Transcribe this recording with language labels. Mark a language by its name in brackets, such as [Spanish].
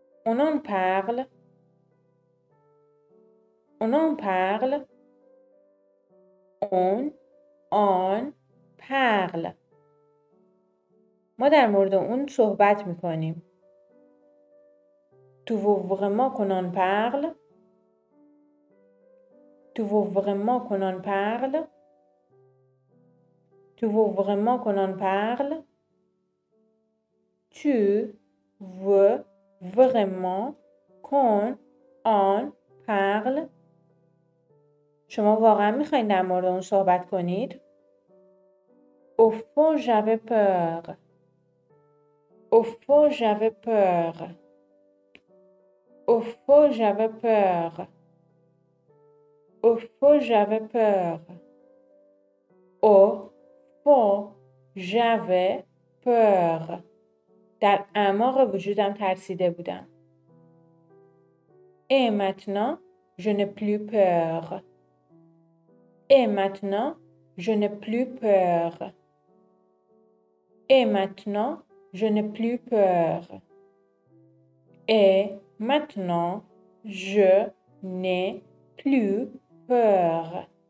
[French] On en parle. On en parle. On en parle. [Persian] ما در مورد اون صحبت میکنیم. [French] Tu veux vraiment qu'on en parle? Tu veux vraiment qu'on en parle? Tu veux vraiment qu'on en parle? Tu veux vraiment qu'on en parle? [Persian] شما واقعا میخواین در مورد اون صحبت کنید؟ [French] Au fond, j'avais peur. Au fond, j'avais peur. Au fond, j'avais peur. Au fond, j'avais peur. Au fond, j'avais peur. [Persian] در اعماق وجودم ترسیده بودم. [French] Et maintenant, je n'ai plus peur. Et maintenant, je n'ai plus peur. Et maintenant, je n'ai plus peur. Et maintenant, je n'ai plus peur.